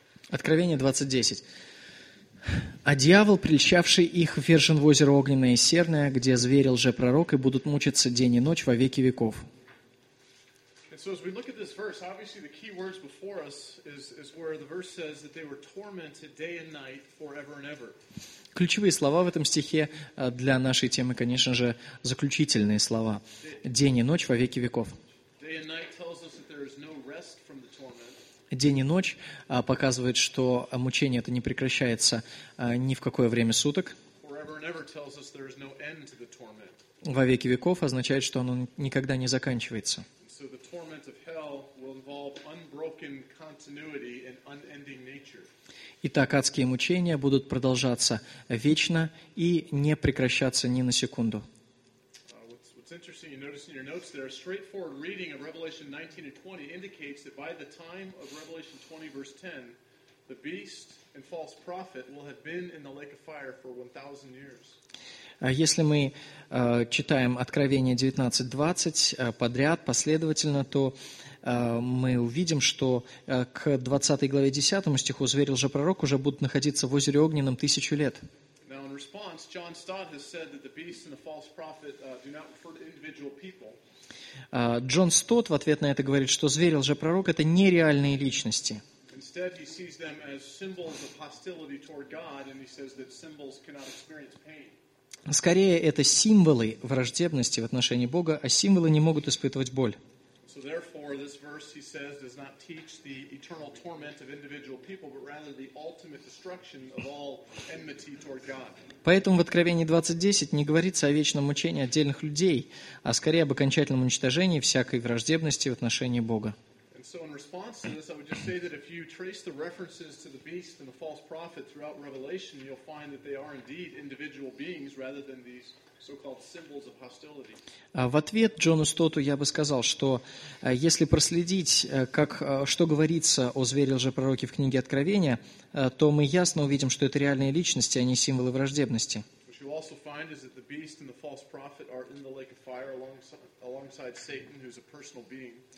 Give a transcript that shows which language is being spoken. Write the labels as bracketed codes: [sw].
[ru] Откровение 20.10. «А дьявол, прельщавший их, ввержен в озеро Огненное и Серное, где зверь и лжепророк, и будут мучиться день и ночь во веки веков». [en] So as we look at this verse, obviously the key words before us is where the verse says that they were tormented day and night forever and ever. [ru] Ключевые слова в этом стихе для нашей темы, конечно же, заключительные слова. День и ночь во веки веков. [en] Day and night tells us that there is no rest from the torment. [ru] День и ночь показывает, что мучение это не прекращается ни в какое время суток. [en] Forever and ever tells us there is no end to the torment. [ru] Во веки веков означает, что оно никогда не заканчивается. [en] So the torment of hell will involve unbroken continuity and unending nature. [ru] Итак, адские мучения будут продолжаться вечно и не прекращаться ни на секунду. [en] What's interesting, you notice in your notes there, a straightforward reading of Revelation 19 and 20 indicates that by the time of Revelation 20 verse 10, the beast and false prophet will have been in the lake of fire for 1,000 years. [ru] Если мы читаем Откровение 19.20 подряд, последовательно, то мы увидим, что к 20 главе 10 стиху зверь лжепророк уже будут находиться в озере Огненном 1000 лет. [en] Now in response, John Stott has said that the beast and the false prophet do not refer to individual people. [ru] Джон Стот в ответ на это говорит, что зверь, лжепророк — это нереальные личности. [en] Instead, he sees them as symbols of hostility toward God, and he says that symbols cannot experience pain. [ru] Скорее, это символы враждебности в отношении Бога, а символы не могут испытывать боль. [en] So therefore, this verse, he says, does not teach the eternal torment of individual people, but rather the ultimate destruction of all enmity toward God. [ru] Поэтому в Откровении 20:10 не говорится о вечном мучении отдельных людей, а скорее об окончательном уничтожении всякой враждебности в отношении Бога. [en] So in response to this, I would just say that if you trace the references to the beast and the false prophet throughout Revelation, you'll find that they are indeed individual beings rather than these so-called symbols of hostility. [ru] В ответ Джону Стоту я бы сказал, что если проследить, как что говорится о звере-лжепророке в книге Откровения, то мы ясно увидим, что это реальные личности, а не символы враждебности. [en] What you also find is that the beast and the false prophet are in the lake of fire alongside Satan, who's a personal being.